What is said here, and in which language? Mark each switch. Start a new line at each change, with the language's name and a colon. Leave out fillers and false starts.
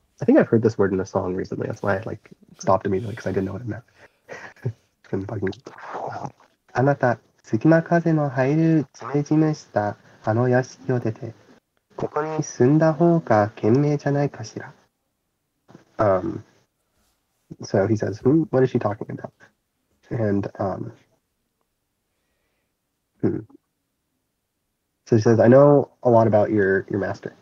English: I think I've heard this word in a song recently. That's why I like stopped immediately, because I didn't know what it meant. It's been bugging me.
Japanese: あなた、隙間風の入るじめじめしたあの屋敷を出て、ここに住んだ方が賢明じゃないかしら。
English: So he says, what is she talking about? So he says, I know a lot about your master.